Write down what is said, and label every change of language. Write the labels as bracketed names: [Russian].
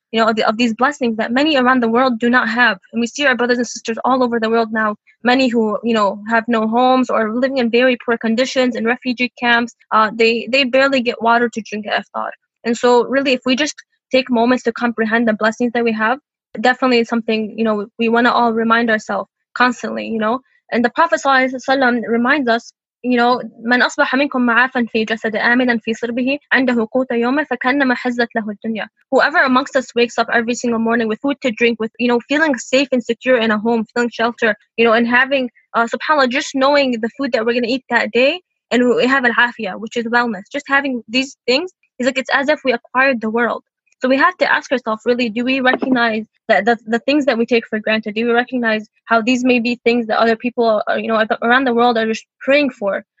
[English] you know, of these blessings that many around the world do not have. And we see our brothers and sisters all over the world now, many who, you know, have no homes or are living in very poor conditions in refugee camps. They barely get water to drink at iftar. And so really, if we just take moments to comprehend the blessings that we have, definitely it's something, you know, we want to all remind ourselves constantly, you know. And the Prophet ﷺ reminds us, you know, [Arabic] من أصبح منكم معافا في جسد آمنا في صربه عنده قوت يوم فكأنما حزت له الدنيا. [English] Whoever amongst us wakes up every single morning with food to drink, with, you know, feeling safe and secure in a home, feeling shelter, you know, and having, subhanAllah, just knowing the food that we're going to eat that day, and we have al-afiyah, which is wellness. Just having these things, is like, it's as if we acquired the world. So we have to ask ourselves, really, do we recognize that the things that we take for granted, do we recognize how these may be things that other people are, you know, around the world are just praying for?